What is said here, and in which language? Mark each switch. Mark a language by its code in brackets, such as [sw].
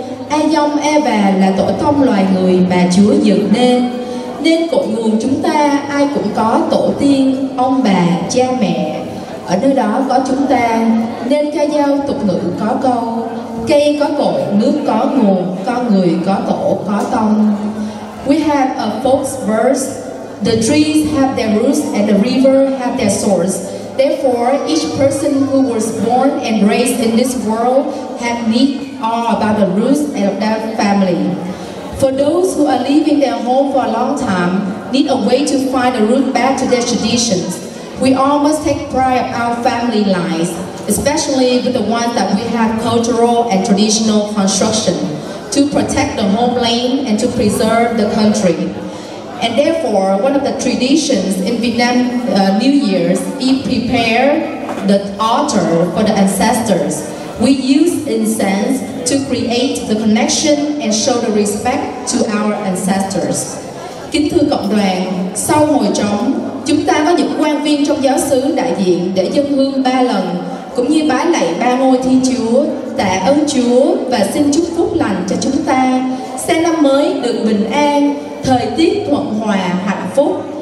[vi] Adam, Eva là tổ tông loài người mà Chúa dựng nên, nên cội nguồn chúng ta ai cũng có tổ tiên, ông bà, cha mẹ. Ở nơi đó có chúng ta, nên ca dao tục ngữ có câu: cây có cội, nước có nguồn, con người có tổ, có tông. [en] We have a folk verse: the trees have their roots and the river have their source. Therefore, each person who was born and raised in this world had need all about the roots and of their family. For those who are leaving their home for a long time need a way to find a route back to their traditions. We all must take pride of our family lines, especially with the ones that we have cultural and traditional construction, to protect the homeland and to preserve the country. And therefore, one of the traditions in Vietnam New Year's, we prepare the altar for the ancestors. We use incense to create the connection and show the respect to our ancestors. [vi] Kính thưa cộng đoàn, sau hồi trống, chúng ta có những quan viên trong giáo xứ đại diện để dâng hương ba lần, cũng như bái lạy ba ngôi Thiên Chúa, tạ ơn Chúa và xin chúc phúc lành cho chúng ta. Sang năm mới được bình an, thời tiết thuận hòa, hạnh phúc.